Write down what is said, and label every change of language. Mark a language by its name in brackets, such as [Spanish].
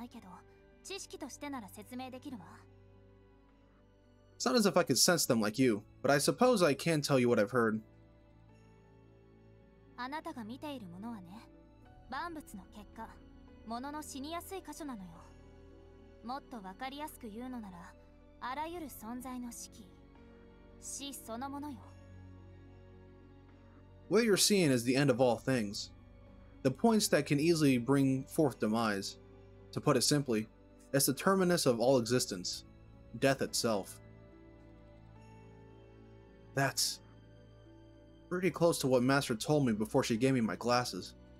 [Japanese] 実際に近くできるあなたほどじゃないけど、知識としてなら説明できるわ。 [English] It's not as if I could sense them like you, but I suppose I can tell you what I've heard. [Japanese] あなたが見ているものはね、万物の結果、物の死にやすい箇所なのよ。もっとわかりやすく言うのなら、あらゆる存在の死期、死そのものよ。 [English] What you're seeing is the end of all things. The points that can easily bring forth demise. To put it simply, it's the terminus of all existence. Death itself. That's pretty close to what Master told me before she gave me my glasses.